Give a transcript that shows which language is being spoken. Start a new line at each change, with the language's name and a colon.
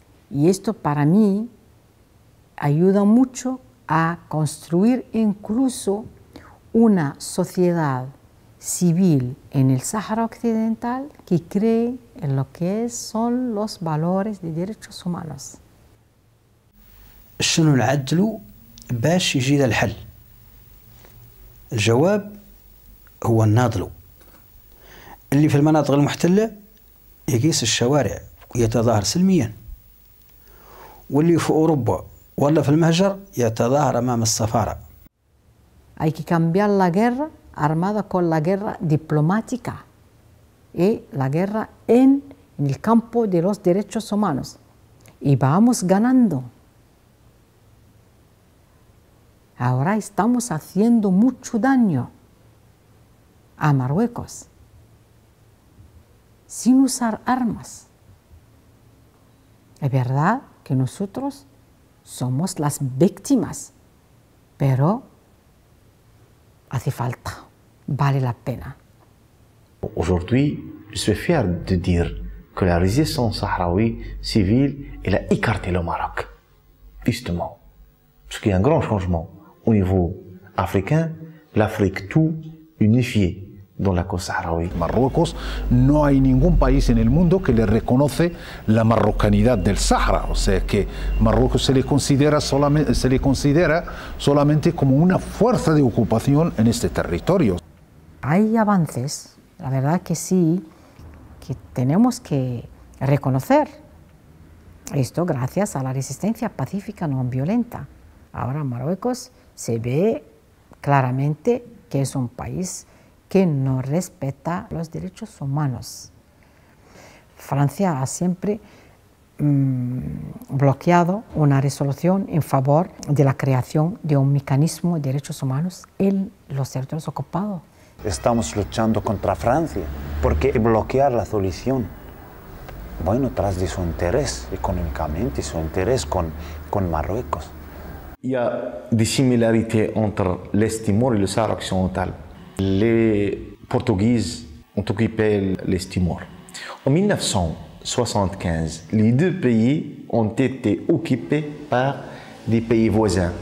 Spanish: Y esto para mí ayuda mucho a construir incluso una sociedad civil en el Sáhara Occidental que cree en lo que son los valores de derechos humanos.
Arabic: شنو نعدلو باش يجي للحل؟ الجواب هو الناضلو اللي في المناطق المحتلة يقيس الشوارع يتظاهر سلميا واللي في أوروبا ولا في المهجر يتظاهر أمام السفارة.
Spanish: Hay que cambiar la guerra armada con la guerra diplomática y la guerra en el campo de los derechos humanos. Y vamos ganando. Ahora estamos haciendo mucho daño a Marruecos sin usar armas. Es verdad que nosotros somos las víctimas, pero hace falta, vale la pena.
French: Aujourd'hui, je suis fier de dire que la résistance sahraoui civile, elle a écarté le Maroc, justement. Parce qu'il y a un grand changement au niveau africain, l'Afrique tout unifiée dans la cause sahraoui.
Spanish: Marruecos, no hay ningún país en el mundo que le reconoce la marrocanidad del Sahara. O sea que Marruecos se le considera solamente como una fuerza de ocupación en este territorio. Hay avances, la verdad que sí, que tenemos que reconocer esto gracias a la resistencia pacífica no violenta. Ahora Marruecos se ve claramente que es un país que no respeta los derechos humanos. Francia ha siempre bloqueado una resolución en favor de la creación de un mecanismo de derechos humanos en los territorios ocupados. Estamos luchando contra Francia porque bloquear la solución, bueno, tras de su interés económicamente, su interés con Marruecos.
French: Il y a des similarités entre l'Est Timor et le Sahara occidental. Les Portugais ont occupé l'Est Timor. En 1975, les deux pays ont été occupés par des pays voisins.